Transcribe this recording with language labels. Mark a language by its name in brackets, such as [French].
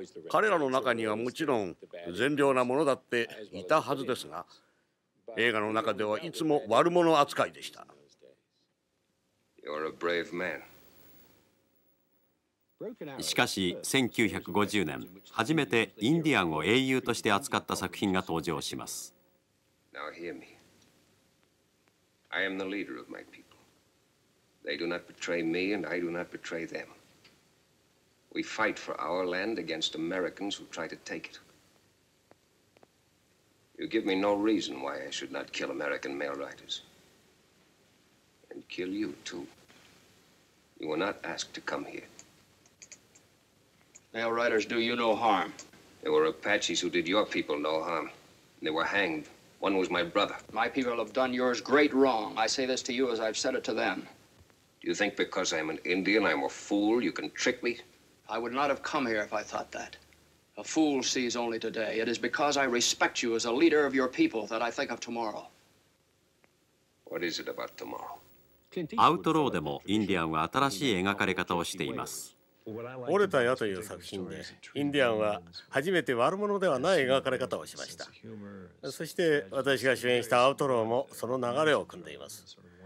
[Japanese] 彼らの中にはもちろん善良なものだっていたはずですが、映画の中ではいつも悪者扱いでした。 [English] You're a brave man. [Japanese] しかし1950年、初めてインディアンを英雄として扱った作品が登場します。 [English] Now hear me. I am the leader of my peopleThey do not betray me, and I do not betray them. We fight for our land against Americans who try to take it. You give me no reason why I should not kill American mail riders. And kill you, too. You were not asked to come here. Mail riders do you no harm. They were Apaches who did your people no harm. They were hanged. One was my brother. My people have done yours great wrong. I say this to you as I've said it to them. Do you think because I'm an Indian, I'm a fool, you can trick me? I would not have come here if I thought that. A fool sees only today. It is because I respect you as a leader of your people that I think of tomorrow. What is it about tomorrow? [Japanese] アウトローでもインディアンは新しい描かれ方をしています。折れた矢という作品で、インディアンは初めて悪者ではない描かれ方をしました。そして私が主演したアウトローもその流れを組んでいます。